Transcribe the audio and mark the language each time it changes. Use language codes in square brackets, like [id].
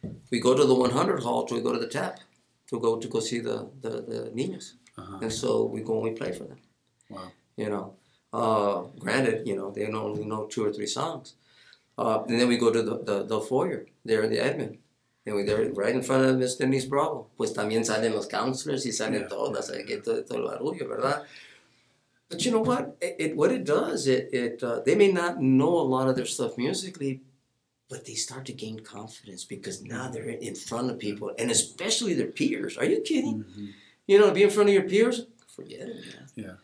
[en] We go to the 100 hall to go to the tap to go see the niños. Uh-huh. And so we go and we play for them. Wow. You know, granted, you know, they only know two or three songs. And then we go to the foyer there in the admin. And we're there right in front of Miss Denise Bravo. [es] Pues también salen los counselors y salen todas. Todo el barullo, ¿verdad? [en] But you know what? What it does, they may not know a lot of their stuff musically, but they start to gain confidence because now they're in front of people, and especially their peers. Are you kidding? Mm-hmm. You know, to be in front of your peers? Forget it, man.